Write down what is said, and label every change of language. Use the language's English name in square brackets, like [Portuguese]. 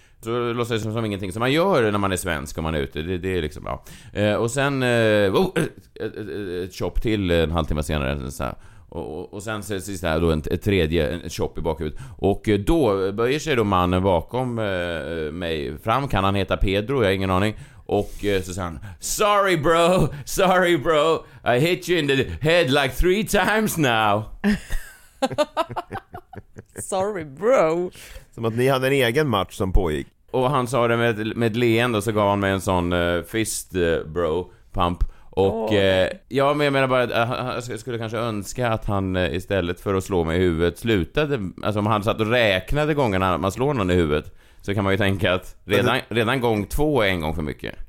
[Swedish] Så låter det som ingenting som man gör när man är svensk och man är ute. Det är liksom, ja. Och sen ett chop till en halvtimme senare, så här. Och sen sist här då ett tredje chop i bakhuvudet. Och då böjer sig då mannen bakom mig fram. Kan han heta Pedro? Jag har ingen aning. Och så säger han: [English] Sorry bro, I hit you in the head like 3 times now. Sorry bro. [Swedish] Som att ni hade en egen match som pågick. Och han sa det med ett leende, och så gav han mig en sån fist bro pump. Och men jag menar bara att jag skulle kanske önska att han istället för att slå mig i huvudet slutade, alltså om han satt och räknade gångerna man slår någon i huvudet, så kan man ju tänka att redan gång 2 är en gång för mycket.